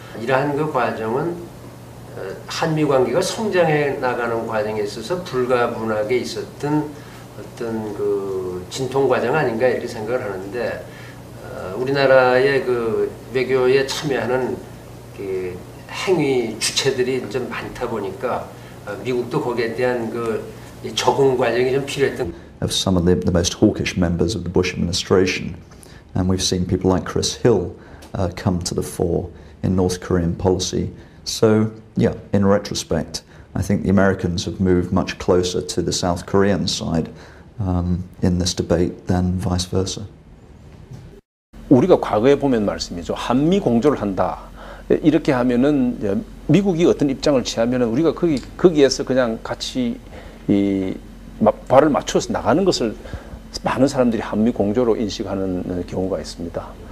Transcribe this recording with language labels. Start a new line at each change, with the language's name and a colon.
Korean: 이러한 그 과정은 한미 관계가 성장해 나가는 과정에 있어서 불가분하게 있었던 어떤 그 진통 과정 아닌가 이렇게 생각을 하는데 우리나라의 그 외교에 참여하는 그 행위 주체들이 좀 많다 보니까 미국도 거기에 대한 그 적응 과정이 좀 필요했던.
English: Of some of the most hawkish members of the Bush administration, and we've seen people like Chris Hill come to the fore in North Korean policy. So, yeah, in retrospect, I think the Americans have moved much closer to the South Korean side in this debate than vice versa.
Korean: 우리가 과거에 보면 말씀이죠. 한미 공조를 한다. 이렇게 하면은 미국이 어떤 입장을 취하면은 우리가 거기에서 그냥 같이 이 발을 맞춰서 나가는 것을 많은 사람들이 한미 공조로 인식하는 경우가 있습니다.